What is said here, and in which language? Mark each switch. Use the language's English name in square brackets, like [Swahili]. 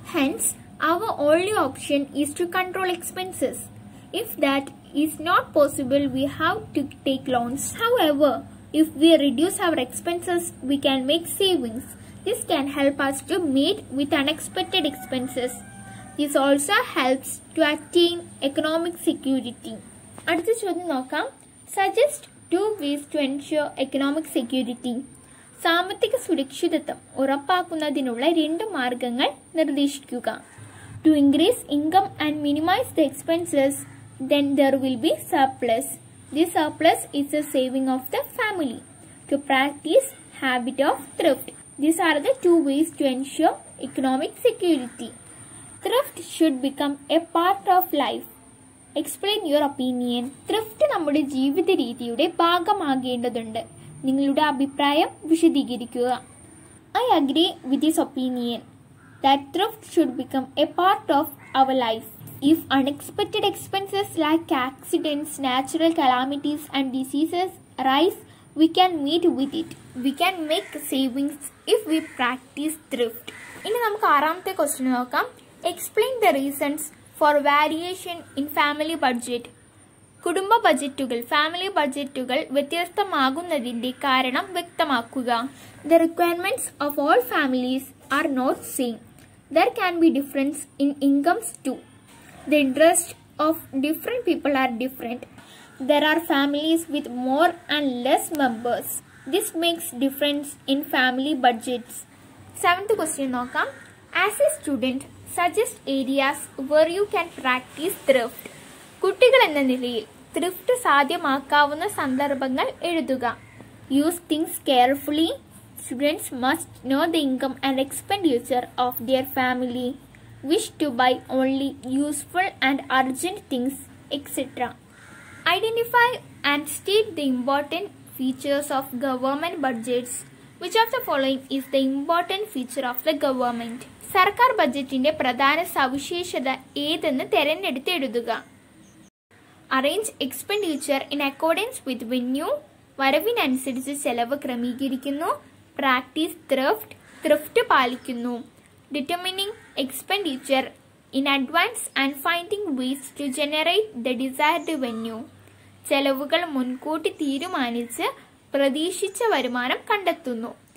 [English] Hence our only option is to control expenses. If that is not possible, we have to take loans. However, if we reduce our expenses, we can make savings. This can help us to meet with unexpected expenses. This also helps to attain economic security. [Malayalam] അടുത്ത ചോദ്യം നോക്കാം. [English] Suggest 2 ways to ensure economic security. [Malayalam] സാമ്പത്തിക സുരക്ഷിതത്വം ഉറപ്പാക്കുന്നതിനുള്ള 2 മാർഗങ്ങൾ നിർദ്ദേശിക്കുക. [English] To increase income and minimize the expenses, then there will be surplus. This surplus is the saving of the family. To practice habit of thrift. These are the 2 ways to ensure economic security. Thrift should become a part of life. Explain your opinion. [Malayalam] Thrift നമ്മുടെ ജീവിത രീതിയുടെ ഭാഗമാകേണ്ടതുണ്ട്. നിങ്ങളുടെ അഭിപ്രായം വിശദീകരിക്കുക. [English] I agree with this opinion that thrift should become a part of our life. If unexpected expenses like accidents, natural calamities and diseases arise, we can meet with it. We can make savings if we practice thrift. [Malayalam] ഇനി നമുക്ക് [English] 6th question [Malayalam] നോക്കാം. [English] Explain the reasons for variation in family budget. [Malayalam] കുടുംബ ബജറ്റുകൾ, family ബജറ്റുകൾ വ്യത്യസ്തമാകുന്നതിന്റെ കാരണം വ്യക്തമാക്കുക. [English] The requirements of all families are not same. There can be difference in incomes too. The interest of different people are different. There are families with more and less members. This makes difference in family budgets. 7th question നോക്കാം. As a student, suggest areas where you can practice thrift. [Malayalam] കുട്ടികൾ എന്ന നിലയിൽ thrift സാധ്യമാക്കാവുന്ന സന്ദർഭങ്ങൾ എഴുതുക. [English] Use things carefully, students must know the income and expenditure of their family, wish to buy only useful and urgent things, etc. Identify and state the important features of government budgets. Which of the following is the important feature of the government? [Malayalam] സർക്കാർ ബജറ്റിന്റെ പ്രധാന സവിശേഷത ഏതെന്ന് തിരഞ്ഞെടുത്ത് എഴുതുക. [English] arrange expenditure in accordance with venue, [Malayalam] വരവിനനുസരിച്ച് ചെലവ് ക്രമീകരിക്കുന്നു. [English] Practice thrift പാലിക്കുന്നു. Determining expenditure in advance and finding ways to generate the desired venue, [Malayalam] ചെലവുകൾ മുൻകൂട്ടി തീരുമാനിച്ച് പ്രതീക്ഷിച്ച വരുമാനം കണ്ടെത്തുന്നു.